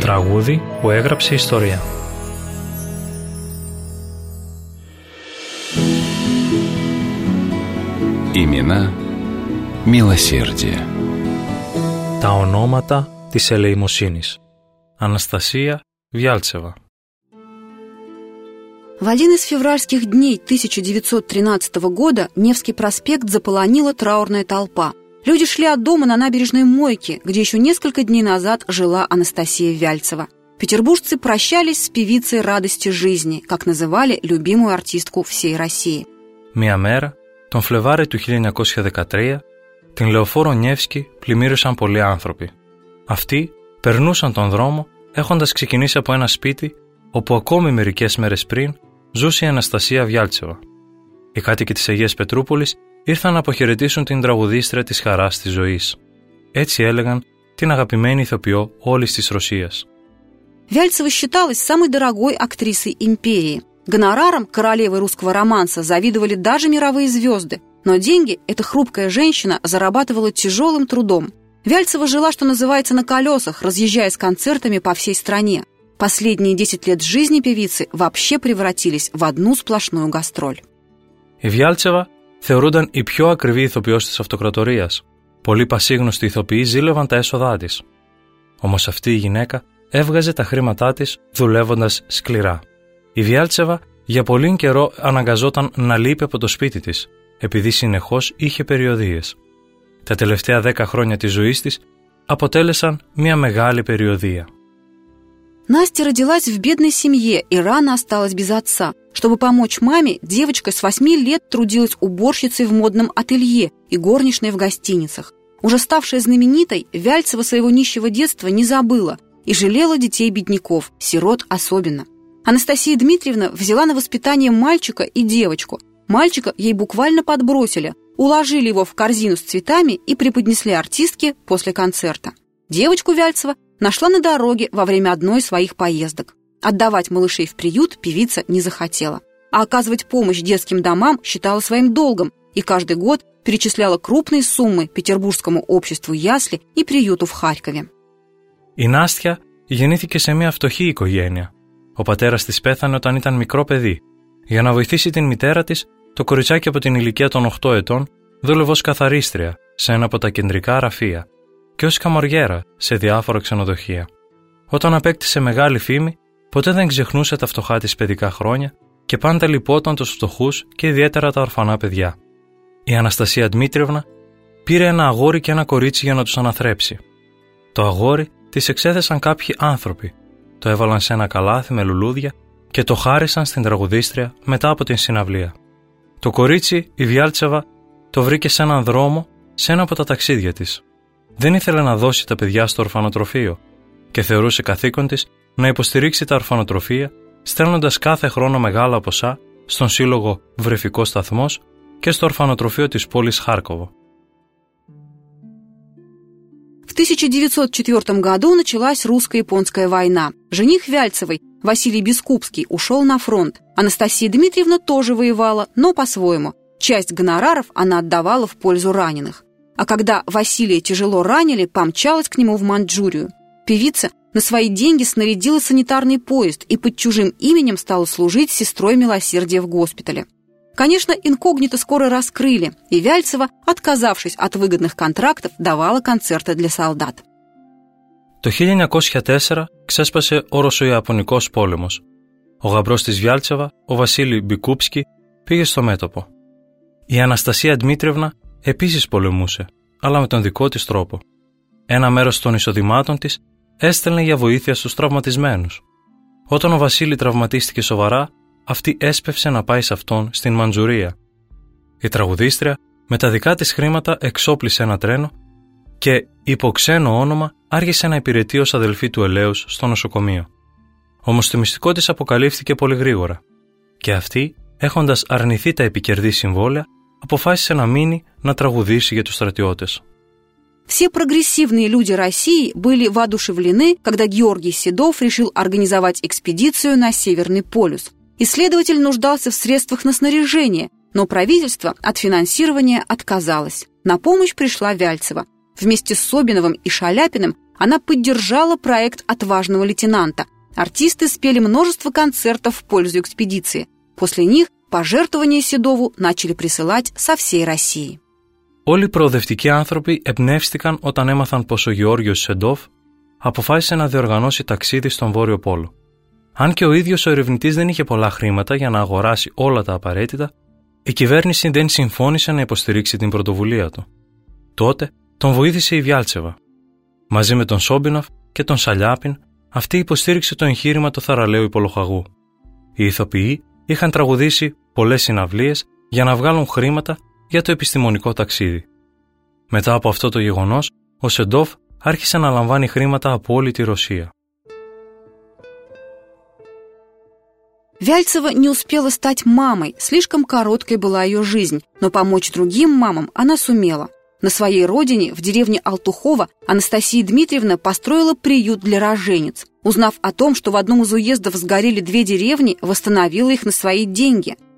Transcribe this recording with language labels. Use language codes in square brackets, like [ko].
[el] Трагуди, που έγραψε ιστορία. [ru] Имена милосердия. [el] Τα ονόματα της ελεημοσύνης. Αναστασία Βιάλτσεβα. [ru] В один из февральских дней 1913 года Невский проспект заполонила траурная толпа. Люди шли от дома на набережной Мойки, где еще несколько дней назад жила Анастасия Вяльцева. Петербуржцы прощались с певицей радости жизни, как называли любимую артистку всей России. [el] Мия мера, тон флеваре ту 1913, тен леофоро Невски племирюсан полли анθρωποι. Αυτοί περνούσαν τον δρόμο, έχοντας ξεκινήσει από ένα σπίτι, όπου ακόμη μερικές μέρες πριν ζούσε η Αναστασία Βιάλτσεβα. Οι κάτοικοι της Αγίας Πετρούπολης ήρθαν να αποχαιρετήσουν την τραγουδίστρια της χαράς της ζωής. Έτσι έλεγαν την αγαπημένη ηθοποιό όλης της Ρωσίας. [ru] Βιάλτσεβα считалась самой дорогой актрисой империи. Гонораром королевы русского романса завидовали даже мировые звезды, но деньги эта хрупкая женщина зарабатывала тяжелым трудом. Вяльцева жила, что называется, на колесах, разъезжая с концертами по всей стране. Последние 10 лет жизни певицы вообще превратились в одну сплошную гастроль. [el] Η Βιάλτσεβα θεωρούνταν η πιο ακριβή ηθοποιός της αυτοκρατορίας. Πολλοί πασίγνωστοι ηθοποιοί ζήλευαν τα έσοδά της. Όμως αυτή η γυναίκα έβγαζε τα χρήματά της δουλεύοντας σκληρά. Η Βιάλτσεβα για πολύ καιρό αναγκαζόταν να λείπει από το σπίτι της, επειδή συνεχώς είχε περιοδίες. Τα τελευταία 10 χρόνια της ζωής της αποτέλεσαν μια μεγάλη περιοδία. [ru] Настя родилась в бедной семье и рано осталась без отца. Чтобы помочь маме, девочка с 8 лет трудилась уборщицей в модном ателье и горничной в гостиницах. Уже ставшая знаменитой, Вяльцева своего нищего детства не забыла и жалела детей бедняков, сирот особенно. Анастасия Дмитриевна взяла на воспитание мальчика и девочку. Мальчика ей буквально подбросили, уложили его в корзину с цветами и преподнесли артистке после концерта. Девочку Вяльцева нашла на дороге во время одной из своих поездок. Отдавать малышей в приют певица не захотела. А оказывать помощь детским домам считала своим долгом и каждый год перечисляла крупные суммы Петербургскому обществу ясли и приюту в Харькове. [el] Η Νάστια γεννήθηκε σε μια φτωχή οικογένεια. Ο πατέρας της πέθανε όταν ήταν μικρό παιδί. Για να βοηθήσει την μητέρα της, το κοριτσάκι από την ηλικία των 8 ετών δούλευε ως καθαρίστρια σε ένα από τα κεντρικά γραφεία και ως καμοριέρα σε διάφορα ξενοδοχεία. Όταν απέκτησε μεγάλη φήμη, ποτέ δεν ξεχνούσε τα φτωχά της παιδικά χρόνια και πάντα λυπόταν τους φτωχούς και ιδιαίτερα τα ορφανά παιδιά. Η Αναστασία Δημήτριευνα πήρε ένα αγόρι και ένα κορίτσι για να τους αναθρέψει. Το αγόρι τις εξέθεσαν κάποιοι άνθρωποι, το έβαλαν σε ένα καλάθι με λουλούδια και το χάρισαν στην τραγουδίστρια μετά από την συναυλία. Το κορίτσι, η Βιάλτσεβα, το βρήκε σε έναν δρόμο, σε ένα από τα ταξίδια της. Δεν ήθελε να δώσει τα παιδιά στο ορφανοτροφείο και θεωρούσε καθήκον της να υποστηρίξει τα ορφανοτροφεία, στέλνοντας κάθε χρόνο μεγάλα ποσά στον σύλλογο Βρεφικός Σταθμός και στο ορφανοτροφείο της πόλης Χάρκοβο. [ru] В 1904 году началась русско-японская война. Жених Вяльцевой, Василий Бескупский, ушел на фронт. Анастасия Дмитриевна тоже воевала, но по-своему. Часть гонораров она отдавала в пользу раненых. А когда Василия тяжело ранили, помчалась к нему в Маньчжурию. Певица на свои деньги снарядила санитарный поезд и под чужим именем стала служить сестрой милосердия в госпитале. Конечно, инкогнито скоро раскрыли, и Вяльцева, отказавшись от выгодных контрактов, давала концерты для солдат. [el] Το 1904 ξέσπασε ο Ρωσο-Ιαπωνικός πόλεμος. Ο γαμπρός της Βιάλτσεβα, ο Βασίλη Μπικούπσκι, πήγε στο μέτωπο. Η Αναστασία Δημήτριευνα επίσης πολεμούσε, αλλά με τον δικό της τρόπο. Ένα μέρος των εισοδημάτων της έστελνε για βοήθεια στους τραυματισμένους. Όταν ο Βασίλη τραυματίστηκε σοβαρά, αυτή έσπευσε να πάει σε αυτόν στην Μαντζουρία. Η τραγουδίστρια με τα δικά της χρήματα εξόπλισε ένα τρένο και υπό ξένο όνομα άρχισε να υπηρετεί ως αδελφή του Ελέους στο νοσοκομείο. Όμως το μυστικό της αποκαλύφθηκε πολύ γρήγορα και αυτή, έχοντας αρνηθεί τα επικερδή συμβόλαια, αποφάσισε να μείνει να τραγουδήσει για τους στρατιώτες. [ru] Все прогрессивные люди России были воодушевлены, когда Георгий Седов решил организовать экспедицию на Северный полюс. Исследователь нуждался в средствах на снаряжение, но правительство от финансирования отказалось. На помощь пришла Вяльцева. Вместе с Собиновым и Шаляпиным она поддержала проект «Отважного лейтенанта». Артисты спели множество концертов в пользу экспедиции. После них пожертвования Седову начали присылать со всей России. [el] Όλοι οι προοδευτικοί άνθρωποι εμπνεύστηκαν όταν έμαθαν πως ο Γεώργιος Σεντόφ αποφάσισε να διοργανώσει ταξίδι στον Βόρειο Πόλο. Αν και ο ίδιος ο ερευνητής δεν είχε πολλά χρήματα για να αγοράσει όλα τα απαραίτητα, η κυβέρνηση δεν συμφώνησε να υποστηρίξει την πρωτοβουλία του. Τότε τον βοήθησε η Βιάλτσεβα. Μαζί με τον Σόμπινοφ και τον Σαλιάπιν, αυτή υποστήριξε το εγχείρημα του θαραλέου υπολοχαγού. Οι ηθοποιοί είχαν τραγουδήσει πολλές συναυλίες για να βγάλουν χρήματα για το επιστημονικό ταξίδι. Μετά από αυτό το γεγονός, ο Σεντόφ άρχισε να λαμβάνει χρήματα από όλη τη Ρωσία. [ru] Вяльцева не успела стать мамой, слишком короткой была ее жизнь, но помочь другим мамам она сумела. На своей родине, в деревне Алтухова, Анастасия Дмитриевна построила приют для роженец. Узнав о том, что в одном из уездов сгорели две деревни, восстановила их на свои деньги.